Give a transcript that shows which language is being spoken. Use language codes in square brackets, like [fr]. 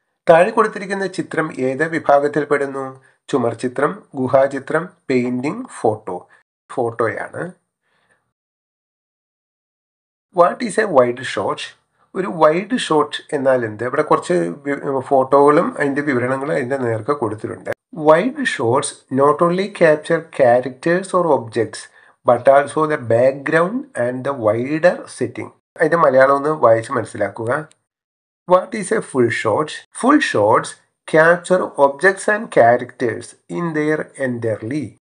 [ml] താഴെ കൊടുത്തിരിക്കുന്ന ചിത്രം ഏത് വിഭാഗത്തിൽപ്പെടുന്നു? ചുമർ ചിത്രം, ഗുഹാചിത്രം, പെയിൻറ്റിങ്, ഫോട്ടോ. ഫോട്ടോയാണ്. [en] What is a wide shot? [ml] ഒരു വൈഡ് ഷോട്ട് എന്നാൽ എന്ത്? ഇവിടെ കുറച്ച് ഫോട്ടോകളും അതിൻ്റെ വിവരണങ്ങളും അതിൻ്റെ നേർക്ക് കൊടുത്തിട്ടുണ്ട്. [en] Wide shots not only capture characters or objects, but also the background and the wider setting. [ml] ഇത് മലയാളം ഒന്ന് വായിച്ച് മനസ്സിലാക്കുക. [en] What is a full shot? Full shots capture objects and characters in their entirety.